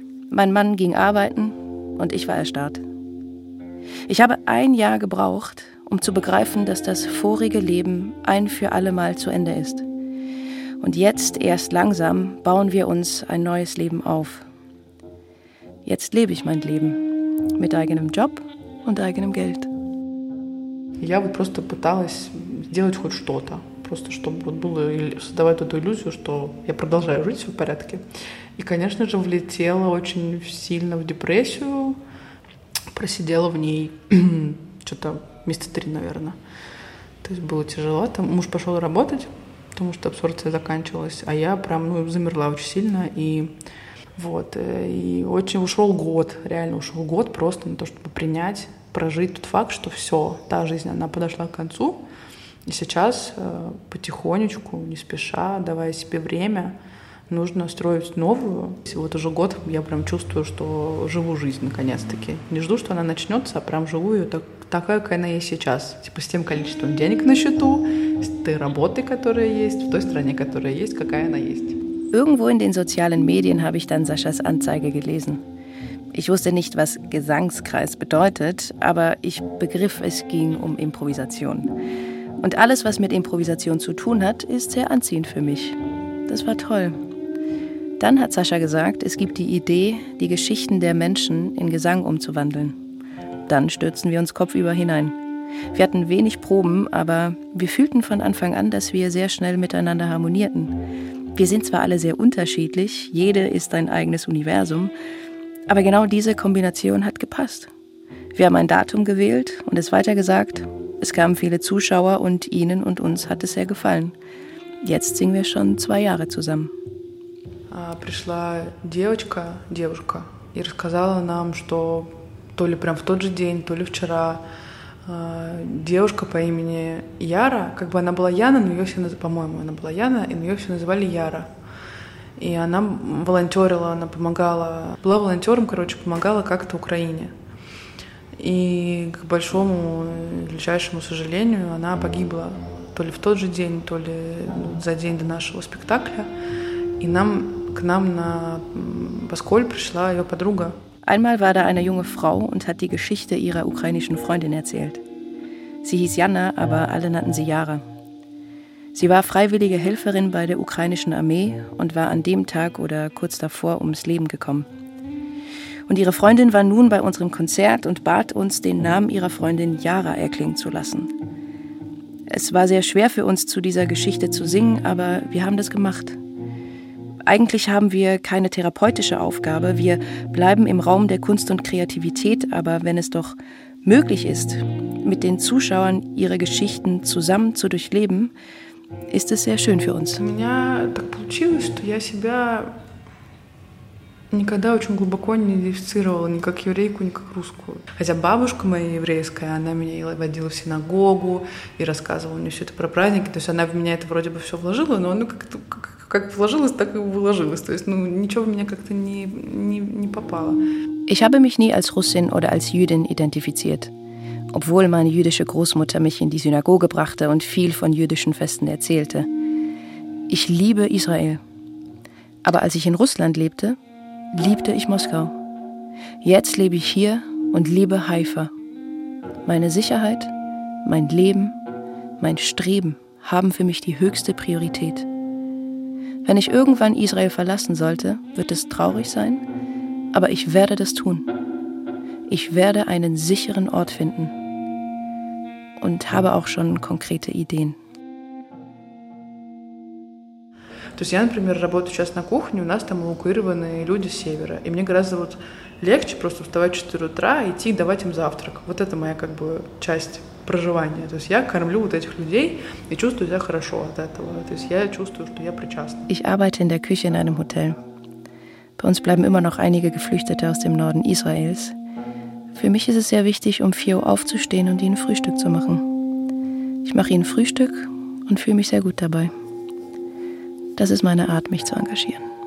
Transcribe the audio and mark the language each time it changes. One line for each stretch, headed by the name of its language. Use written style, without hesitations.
German: Mein Mann ging arbeiten und ich war erstarrt. Ich habe 1 Jahr gebraucht, um zu begreifen, dass das vorige Leben ein für alle Mal zu Ende ist. Und jetzt, erst langsam, bauen wir uns ein neues Leben auf. Jetzt lebe ich mein Leben mit eigenem Job und eigenem Geld.
Russian: Я вот просто пыталась сделать хоть что-то, просто чтобы вот было создавать эту иллюзию, что я продолжаю жить, все в порядке. И, конечно же, влетела очень сильно в депрессию, просидела в ней что-то 3 месяца, наверное. То есть было тяжело. Там муж пошел работать, потому что абсорбция заканчивалась, а я прям замерла очень сильно и вот. И очень ушел год, реально ушел год просто на то, чтобы принять, прожить тот факт, что все, та жизнь, она подошла к концу. И сейчас потихонечку, не спеша, давая себе время, нужно строить новую. И вот уже год я прям чувствую, что живу жизнь наконец-таки. Не жду, что она начнется, а прям живу ее такая, какая она есть сейчас. Типа с тем количеством денег на счету, с той работой, которая есть, в той стране, которая есть, какая она есть.
German: Irgendwo in den sozialen Medien habe ich dann Saschas Anzeige gelesen. Ich wusste nicht, was Gesangskreis bedeutet, aber ich begriff, es ging um Improvisation. Und alles, was mit Improvisation zu tun hat, ist sehr anziehend für mich. Das war toll. Dann hat Sascha gesagt, es gibt die Idee, die Geschichten der Menschen in Gesang umzuwandeln. Dann stürzten wir uns kopfüber hinein. Wir hatten wenig Proben, aber wir fühlten von Anfang an, dass wir sehr schnell miteinander harmonierten. Wir sind zwar alle sehr unterschiedlich, jede ist ein eigenes Universum, aber genau diese Kombination hat gepasst. Wir haben ein Datum gewählt und es weitergesagt. Es kamen viele Zuschauer und ihnen und uns hat es sehr gefallen. Jetzt singen wir schon 2 Jahre zusammen.
Russian: Пришла девочка, девушка, и рассказала нам, что то ли прям в тот же день, то ли вчера девушка по имени Яра, как бы она была Яна, но ее все называли, по-моему, она была Яна, и ее все называли Яра. И она волонтерила, она помогала, была волонтером, короче, помогала как-то Украине. И к большому, величайшему сожалению, она погибла то ли в тот же день, то ли за день до нашего спектакля. И нам К нам на Баскол пришла ее подруга.
German: Einmal war da eine junge Frau und hat die Geschichte ihrer ukrainischen Freundin erzählt. Sie hieß Jana, aber alle nannten sie Yara. Sie war freiwillige Helferin bei der ukrainischen Armee und war an dem Tag oder kurz davor ums Leben gekommen. Und ihre Freundin war nun bei unserem Konzert und bat uns, den Namen ihrer Freundin Yara erklingen zu lassen. Es war sehr schwer für uns, zu dieser Geschichte zu singen, aber wir haben das gemacht. Eigentlich haben wir keine therapeutische Aufgabe. Wir bleiben im Raum der Kunst und Kreativität. Aber wenn es doch möglich ist, mit den Zuschauern ihre Geschichten zusammen zu durchleben, ist es sehr schön für uns.
Russian: У меня так получилось, что я себя никогда очень глубоко не идентифицировала ни как еврейку, ни как русскую. Хотя бабушка моя еврейская, она меня водила в синагогу и рассказывала мне все это про праздники. То есть она в меня это вроде бы все вложила, но оно как-то как вложилось, так и выложилось. То есть, ну, ничего в меня как-то не попало.
German: Ich habe mich nie als Russin oder als Jüdin identifiziert, obwohl meine jüdische Großmutter mich in die Synagoge brachte und viel von jüdischen Festen erzählte. Ich liebe Israel. Aber als ich in Russland lebte, liebte ich Moskau. Jetzt lebe ich hier und liebe Haifa. Meine Sicherheit, mein Leben, mein Streben haben für mich die höchste Priorität. Wenn ich irgendwann Israel verlassen sollte, wird es traurig sein, aber ich werde das tun. Ich werde einen sicheren Ort finden und habe auch schon konkrete Ideen.
Russian: То есть я, например, работаю сейчас на кухне, у нас там эвакуированные люди с севера, и мне гораздо вот легче просто вставать в 4 утра, идти давать им завтрак. Вот это моя как бы часть проживания. То есть я кормлю вот этих людей и чувствую себя хорошо от этого. То есть я чувствую, что я причастна.
German: Ich arbeite in der Küche in einem Hotel. Bei uns bleiben immer noch einige Geflüchtete aus dem Norden Israels. Für mich ist es sehr wichtig, um 4 Uhr aufzustehen und ihnen Frühstück zu machen. Ich mache ihnen Frühstück und fühle mich sehr gut dabei. Das ist meine Art, mich zu engagieren.